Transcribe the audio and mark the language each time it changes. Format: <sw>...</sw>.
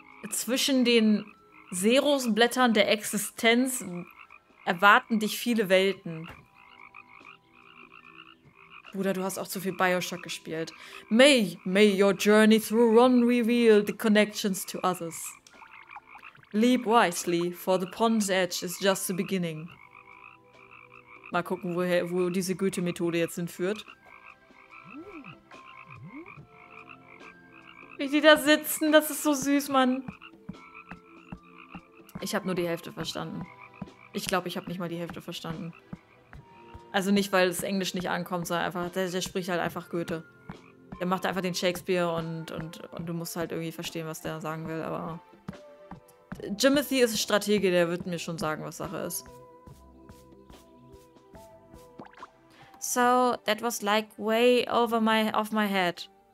<de>Zwischen den Seerosenblättern der Existenz erwarten dich viele Welten. Bruder, du hast auch zu viel Bioshock gespielt.</de> <en>May your journey through Ron reveal the connections to others. Leap wisely, for the pond's edge is just the beginning.</en> <de>Mal gucken, wo diese Goethe-Methode jetzt hinführt. Wie die da sitzen, das ist so süß, Mann. Ich habe nur die Hälfte verstanden. Ich glaube, ich habe nicht mal die Hälfte verstanden. Also nicht, weil das Englisch nicht ankommt, sondern einfach, der spricht halt einfach Goethe. Der macht einfach den Shakespeare und du musst halt irgendwie verstehen, was der sagen will, aber... Jimothy ist Stratege, der wird mir schon sagen, was Sache ist.</de> <en>So, that was like way over my off my head.</en>